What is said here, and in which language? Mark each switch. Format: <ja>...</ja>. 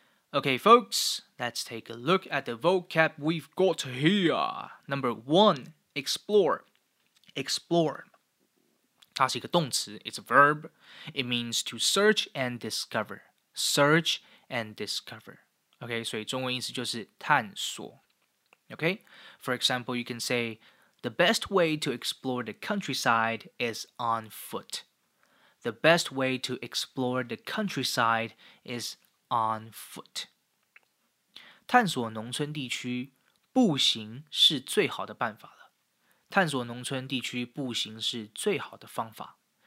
<en>Okay, folks, let's take a look at the vocab we've got here. Number one, explore. Explore.</en> <zh>它是一个动词 ，</zh> <en>it's a verb.</en> <zh>It means to search and discover.</zh> <en>Search and discover.</en> <zh>OK, 所以中文意思就是探索。</zh> <en>OK, for example, you can say the best way to explore the countryside is on foot. The best way to explore the countryside is on foot.</en> <zh>探索农村地区，步行是最好的办法了。探索农村地区步行是最好的方法。</zh>